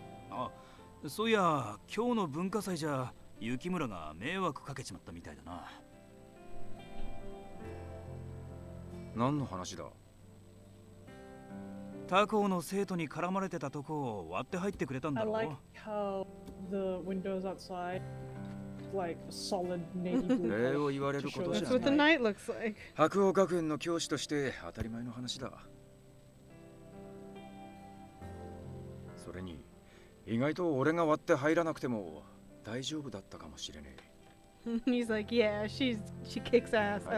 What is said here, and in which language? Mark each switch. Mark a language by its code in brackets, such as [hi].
[ja] あ、そういや今日の文化祭じゃ雪村が迷惑かけちまったみたいだな。何の話だ。他校の生徒に絡まれてたとこを割って入ってくれたんだろ。 [en] I like how the windows outside like solid navy blue. [ja] 礼を言われることじゃない。 [en] That's what the night looks like. [ja] 白鸚学園の教師として当たり前の話だ。それに意外と俺が割って入らなくても大丈夫だったかもしれねえ。 [en] He's like, yeah, she kicks ass. I love her.